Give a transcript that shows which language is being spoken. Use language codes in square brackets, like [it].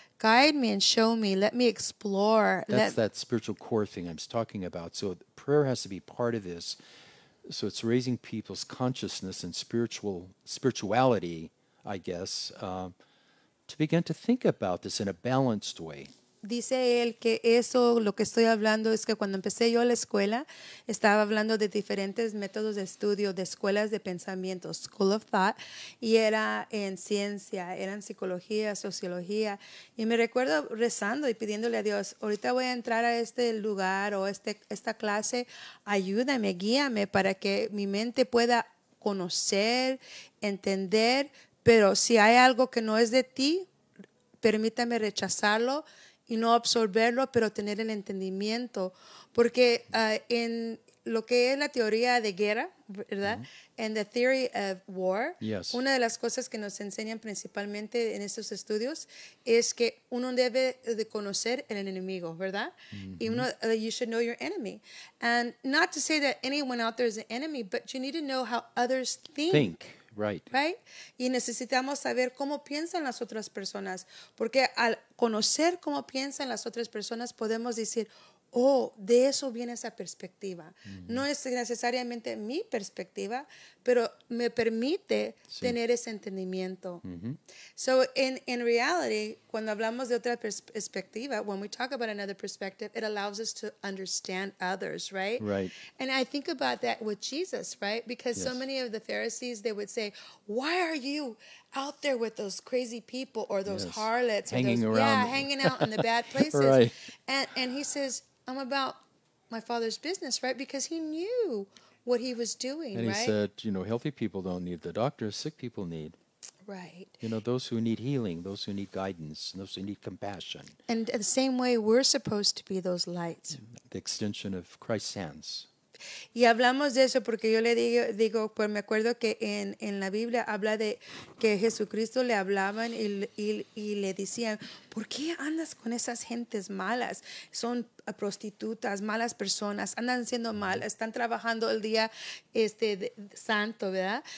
[en] Guide me and show me. Let me explore. That's that spiritual core thing I'm talking about. So prayer has to be part of this. So it's raising people's consciousness and spirituality, I guess, to begin to think about this in a balanced way. [es] Dice él que eso, lo que estoy hablando, es que cuando empecé yo la escuela, estaba hablando de diferentes métodos de estudio, de escuelas de pensamiento, [en] school of thought, [es] y era en ciencia, era en psicología, sociología. Y me recuerdo rezando y pidiéndole a Dios, ahorita voy a entrar a este lugar o esta clase, ayúdame, guíame para que mi mente pueda conocer, entender, pero si hay algo que no es de ti, permítame rechazarlo, y no absorberlo, pero tener el entendimiento. Porque en lo que es la teoría de guerra, ¿verdad? [en] Mm-hmm. And the theory of war, yes. [es] Una de las cosas que nos enseñan principalmente en estos estudios es que uno debe de conocer el enemigo, ¿verdad? Mm-hmm. Y uno, [en] you should know your enemy. And not to say that anyone out there is an enemy, but you need to know how others think. Think. Right. Right. [es] Y necesitamos saber cómo piensan las otras personas, porque al conocer cómo piensan las otras personas podemos decir, oh, de eso viene esa perspectiva. Mm-hmm. No es necesariamente mi perspectiva, pero me permite sí. tener ese entendimiento. Mm-hmm. [en] So in reality, [es] cuando hablamos de otra perspectiva, [en] when we talk about another perspective, it allows us to understand others, right? Right. And I think about that with Jesus, right? Because yes. so many of the Pharisees, they would say, why are you out there with those crazy people or those yes. harlots? Hanging or those, around. Yeah, hanging out in the bad places. Right. And he says, I'm about my father's business, right? Because he knew what he was doing, and And he said, you know, healthy people don't need the doctor, sick people need. Right. You know, those who need healing, those who need guidance, those who need compassion. And the same way we're supposed to be those lights. The extension of Christ's hands. [es] Y hablamos de eso porque yo le digo, pues me acuerdo que en la Biblia habla de que Jesucristo le hablaban y le decían, ¿por qué andas con esas gentes malas? Son prostitutas, malas personas, andan siendo malas, están trabajando el día santo, ¿verdad?